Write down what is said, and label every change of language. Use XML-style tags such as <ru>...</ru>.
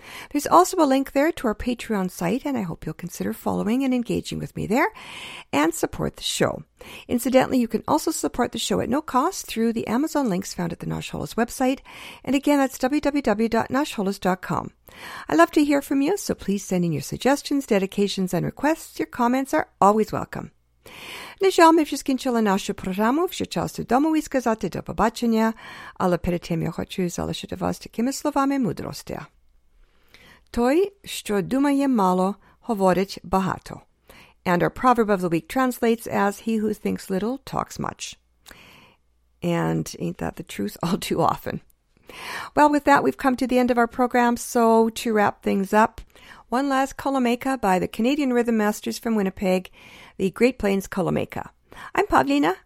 <en>There's also a link there to our Patreon site, and I hope you'll consider following and engaging with me there and support the show. Incidentally, you can also support the show at no cost through the Amazon links found at the Nash Holos website. And again, that's www.nashholos.com. I love to hear from you, so please send in your suggestions, dedications, and requests. Your comments are always welcome.</en> <uk>Нежал ми вже скінчили нашу програму. Вже час додому і сказати до побачення. Але перед тим я хочу залишити вас такими словами мудрості. Той, що думає мало, говорить багато.</uk> <en>And our proverb of the week translates as, he who thinks little talks much. And ain't that the truth all too often? Well, with that, we've come to the end of our program. So to wrap things up, one last Columaca by the Canadian Rhythm Masters from Winnipeg, the Great Plains Columaca. I'm Pavlina.</en>